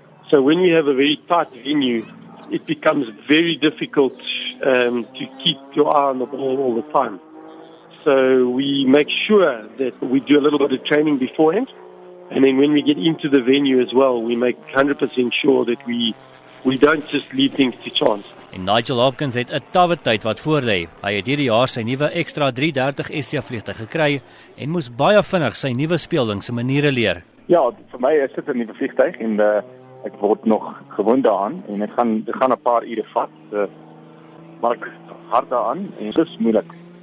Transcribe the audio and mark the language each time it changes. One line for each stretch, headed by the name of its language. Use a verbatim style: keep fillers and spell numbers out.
English: So when you have a very tight venue, it becomes very difficult um, to keep your eye on the ball all the time. So we make sure that we do a little bit of training beforehand. And then when we get into the venue as well, we make one hundred percent sure that we we don't just leave things to chance.
Afrikaans: En Nigel Hopkins het 'n tawwe tyd wat voorlê. Hy het hierdie jaar sy nuwe Extra drie dertig S C vliegtuig gekry en moes baie vinnig sy nuwe speelding se maniere leer. Ja, vir my is dit 'n nuwe vliegtuig en uh, ek word nog gewoond daaraan en dit gaan dit gaan 'n paar ure vat. Uh, maar ek hard daaraan en dit is moeilik.